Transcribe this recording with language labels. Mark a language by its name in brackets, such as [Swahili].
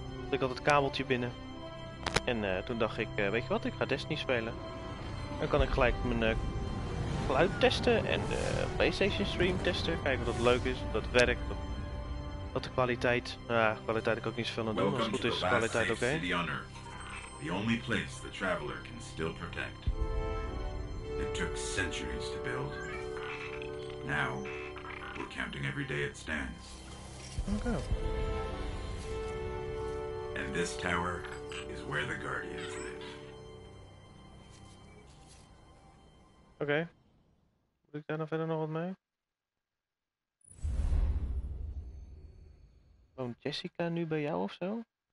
[Dutch] Ik had het kabeltje binnen. En toen dacht ik, weet je wat, ik ga Destiny spelen. Dan kan ik gelijk mijn geluid testen en de PlayStation stream testen, kijken of dat leuk is, of dat werkt, of dat de kwaliteit, ja, kwaliteit kan ik ook niet zoveel aan doen, als het goed is, de kwaliteit oké. [English] The only place the traveler can still protect. It took centuries to build. Now, we're counting every day it stands. Okay. And this tower is where the guardians live. Okay. [Dutch] Doe ik daar nog verder nog wat mee? Woont Jessica nu bij jou of zo?